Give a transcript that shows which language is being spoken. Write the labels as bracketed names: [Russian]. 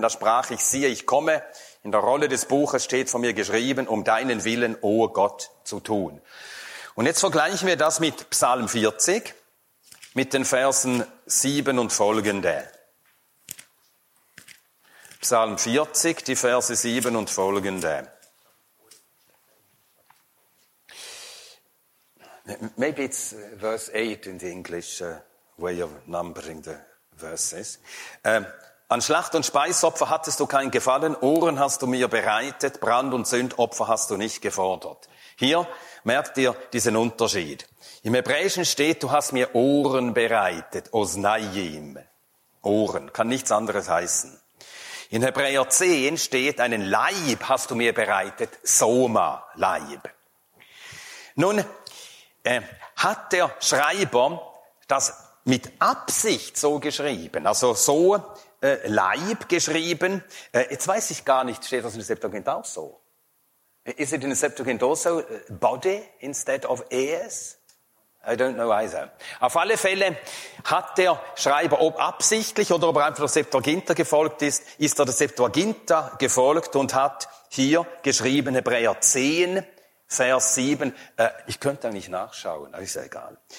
[German] Da sprach ich: Siehe, ich komme. In der Rolle des Buches steht von mir geschrieben, um deinen Willen, o Gott, zu tun. Und jetzt vergleichen wir das mit Psalm 40, mit den Versen 7 und folgende. Psalm 40, die Verse 7 und folgende. [English] Maybe it's verse 8 in the English way of numbering the verses. [German] An Schlacht- und Speisopfer hattest du kein Gefallen, Ohren hast du mir bereitet, Brand- und Sündopfer hast du nicht gefordert. Hier merkt ihr diesen Unterschied. Im Hebräischen steht, du hast mir Ohren bereitet, Osnayim. Ohren, kann nichts anderes heißen. In Hebräer 10 steht, einen Leib hast du mir bereitet, Soma, Leib. Nun, hat der Schreiber das mit Absicht so geschrieben, also so Leib geschrieben? Jetzt weiß ich gar nicht, steht das in der Septuagint auch so? [English] Is it in the Septuagint also body instead of ears? I don't know either. [German] Auf alle Fälle hat der Schreiber, ob absichtlich oder ob er einfach der Septuaginta gefolgt ist, ist er der Septuaginta gefolgt und hat hier geschrieben, Hebräer 10, Vers 7, ich könnte da nicht nachschauen, aber ist ja egal.